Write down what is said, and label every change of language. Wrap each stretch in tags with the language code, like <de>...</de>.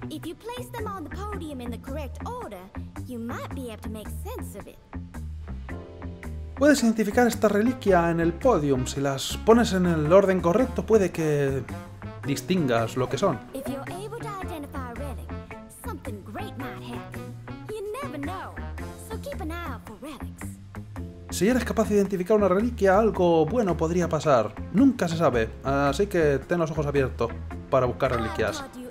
<en>If you place them on the podium in the correct order, you might be able to make sense of it.</en> <es>Puedes identificar esta reliquia en el podium. Si las pones en el orden correcto, puede que distingas lo que son.</es> <en>If you're able to identify a relic, something great might happen. You never know, so keep an eye out for relics.</en> <es>Si eres capaz de identificar una reliquia, algo bueno podría pasar. Nunca se sabe, así que ten los ojos abiertos para buscar reliquias.</es>